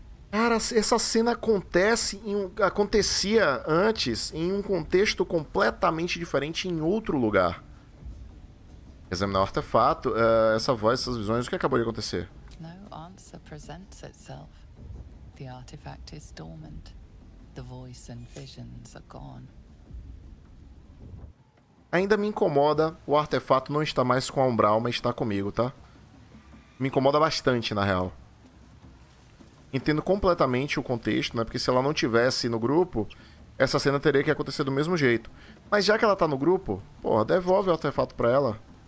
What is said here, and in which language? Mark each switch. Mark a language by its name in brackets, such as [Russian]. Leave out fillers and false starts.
[Portuguese] Cara, essa cena acontecia antes em um contexto completamente diferente, em outro lugar. Examinar o artefato, essa voz, essas visões, o que acabou de acontecer? [English] No answer presents itself. The artifact is dormant. The voice and visions are gone. [Portuguese] Ainda me incomoda o artefato não estar mais com a Umbral, mas está comigo, tá? Me incomoda bastante, na real. Entendo completamente o contexto, né? Porque se ela não tivesse no grupo, essa cena teria que acontecer do mesmo jeito. Mas já que ela tá no grupo, porra, devolve o artefato pra ela.